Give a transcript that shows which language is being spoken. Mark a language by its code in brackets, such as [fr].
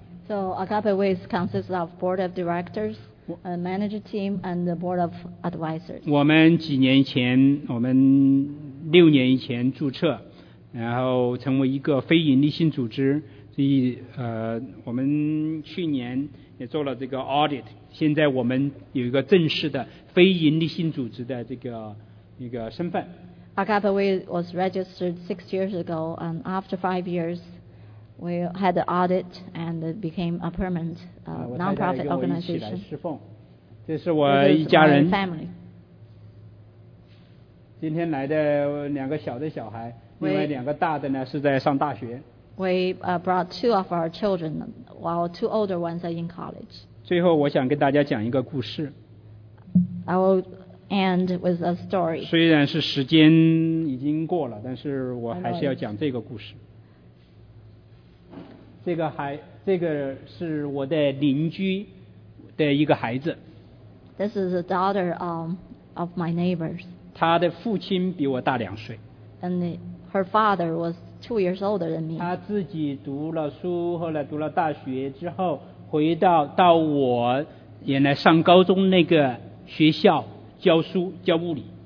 [en] So Agape Ways consists of board of directors, a manager team, and the board of advisors. [zh] 我们几年前，我们六年以前注册，然后成为一个非盈利性组织。所以我们去年也做了这个 audit， 现在我们有一个正式的非盈利性组织的这个一个身份。 [en] Agape was registered 6 years ago, and after 5 years, we had the audit and became a permanent non-profit organization. [zh] 我太太跟我一起来侍奉，这是我一家人。今天来的两个小的小孩，另外两个大的呢是在上大学。 [en] We brought two of our children, while two older ones are in college. [zh] 最后，我想跟大家讲一个故事。 [en] I will end with a story. [zh] 虽然是时间已经过了，但是我还是要讲这个故事。这个是我的邻居的一个孩子。 [en] This is a daughter of my neighbors. [zh] 她的父亲比我大两岁。 [en] And her father was2 years older than me. [zh] 他自己读了书，后来读了大学之后，回到我原来上高中那个学校教书教物理。